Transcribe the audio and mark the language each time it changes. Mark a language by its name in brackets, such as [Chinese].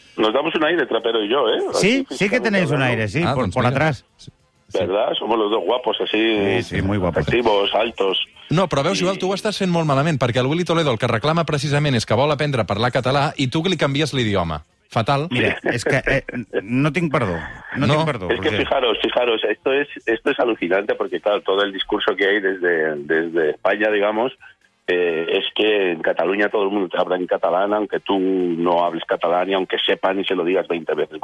[Spanish] Nos damos un aire, Trapero y yo, ¿eh? Sí, sí que tenéis un aire, sí, por atrás. ¿Verdad? Somos los dos guapos, así, sí, muy guapos. Atractivos, altos. [Catalan] No, però veus, Joel, tu ho estàs fent molt malament, perquè el Willy Toledo el que reclama precisament és que vol aprendre a parlar català i tu li canvies l'idioma. Fatal. [Spanish] Mira, es que no tengo perdón. Es que fijaros, esto es alucinante porque claro, todo el discurso que hay desde España, digamos, es que en Cataluña todo el mundo te habla en catalán, aunque tú no hables catalán y aunque sepan y se lo digas 20 veces.